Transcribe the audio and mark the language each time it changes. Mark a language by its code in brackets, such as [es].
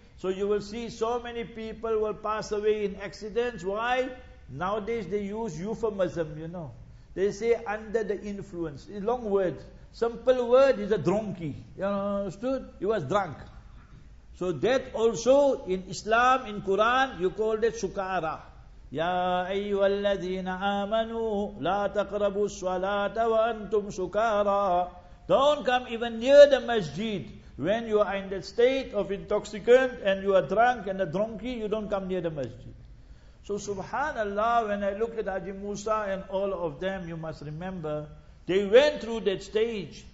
[en] So you will see so many people will pass away in accidents. Why? Nowadays they use euphemism, you know. They say under the influence. It's a long word. Simple word is a drunkie. You understood? He was drunk. So that also in Islam, in Quran, you call that sukara. [ar] يا أيها الذين آمنوا لا تقربوا الصلاة وأنتم سكارى. [en] Don't come even near the masjid. When you are in the state of intoxicant and you are drunk and a drunkie, you don't come near the masjid. So subhanallah, when I look at Haji Musa and all of them, you must remember, they went through that stage.